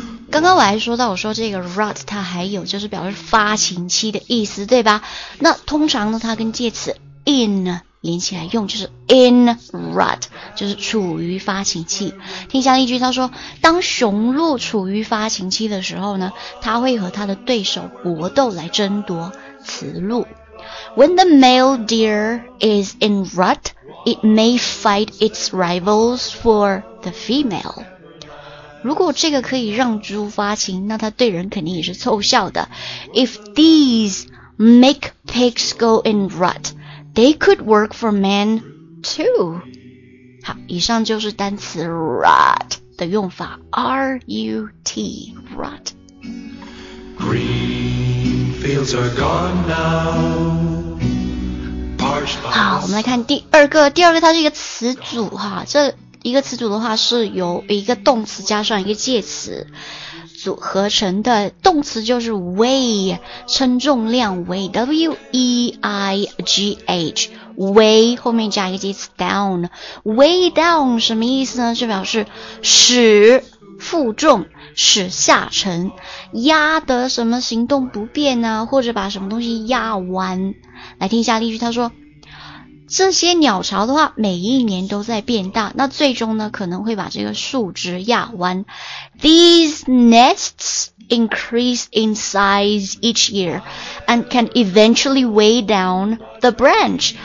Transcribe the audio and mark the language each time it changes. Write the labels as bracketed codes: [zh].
[zh] 刚刚我还说到我说这个 rut 它还有就是表示发情期的意思对吧，那通常呢它跟介词 in 连起来用就是 in rut 就是处于发情期。听下例句，他说当雄鹿处于发情期的时候呢他会和他的对手搏斗来争夺雌鹿。 [en] When the male deer is in rut it may fight its rivals for the female. [zh] 如果这个可以让猪发情那他对人肯定也是凑效的。 [en] If these make pigs go in rutThey could work for men too. [zh] 好，以上就是单词 rut 的用法 ,R-U-T, rut. [en] Green fields are gone now. [zh] 好，我们来看第二个，第二个它是一个词组哈，这一个词组的话是由一个动词加上一个介词组合成的，动词就是 weigh， 称重量 weigh，W-E-I-G-H， weigh 后面加一个介词 down， weigh down 什么意思呢？就表示使负重，使下沉，压得什么行动不便呢、啊？或者把什么东西压弯？来听一下例句，他说。这些鸟巢的话每一年都在变大，那最终呢可能会把这个树枝压弯。 [en] These nests increase in size each year and can eventually weigh down the branch.